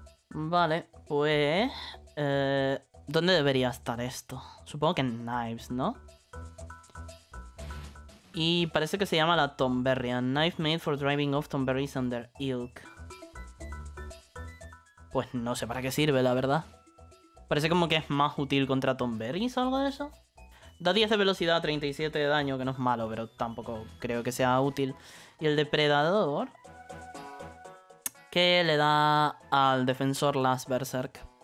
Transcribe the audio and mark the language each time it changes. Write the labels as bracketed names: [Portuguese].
[Spanish] Vale, pues, ¿dónde debería estar esto? Supongo que en Knives, ¿no? Y parece que se llama la Tomberrian. [English] Knife made for driving off Tomberries and their ilk. [Spanish] Pues no sé para qué sirve, la verdad. Parece como que es más útil contra Tomberries o algo de eso. Da 10 de velocidad, 37 de daño, que no es malo, pero tampoco creo que sea útil. Y el depredador, ¿qué le da al defensor Last Berserk?